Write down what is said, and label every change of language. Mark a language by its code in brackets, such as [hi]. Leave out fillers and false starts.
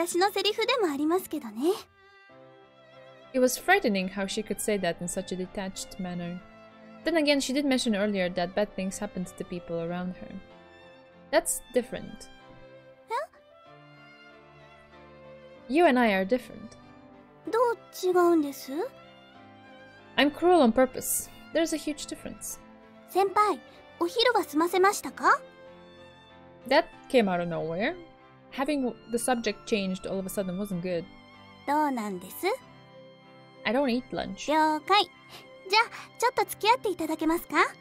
[ja] それは私のセリフでもありますけどね。 [en] It was frightening how she could say that in such a detached manner. Then again, she did mention earlier that bad things happened to people around her. That's different. You and I are different. [ja] どう違うんです? [en] I'm cruel on purpose. There's a huge difference. [ja] 先輩、お昼は済ませましたか? [en] That came out of nowhere. Having the subject changed all of a sudden wasn't good. [ja] どうなんです? [en] I don't eat lunch. [ja] 了解。じゃあ、ちょっと付き合っていただけますか?